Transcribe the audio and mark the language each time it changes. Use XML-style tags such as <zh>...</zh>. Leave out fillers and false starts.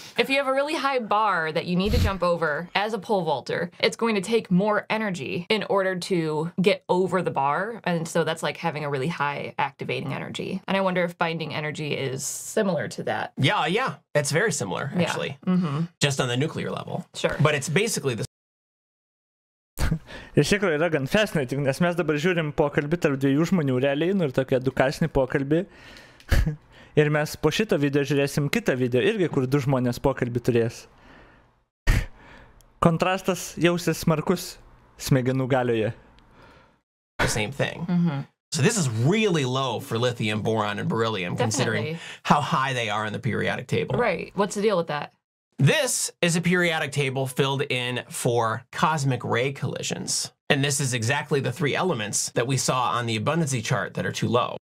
<en>If you have a really high bar that you need to jump over as a pole vaulter, it's going to take more energy in order to get over the bar. And so that's like having a really high activating energy. And I wonder if binding energy is similar to that. Yeah, yeah. It's very similar, actually. Yeah. Mm-hmm. Just on the nuclear level. Sure. But it's basically the</en> <lt>Iš tikrųjų yra gan fascinating, nes mes dabar žiūrim pokalbį tarp dviejų žmonių realiai, nu ir tokį edukacinį pokalbį. Ir mes po šito video žiūrėsim kitą video, irgi kur du žmonės pokalbį turės. Kontrastas jausis smarkus smegenų galioje.</lt> <en>The same thing. Mm-hmm. So this is really low for lithium, boron and beryllium, definitely, considering how high they are on the periodic table. Right, what's the deal with that? This is a periodic table filled in for cosmic ray collisions. And this is exactly the three elements that we saw on the abundancy chart that are too low.</en>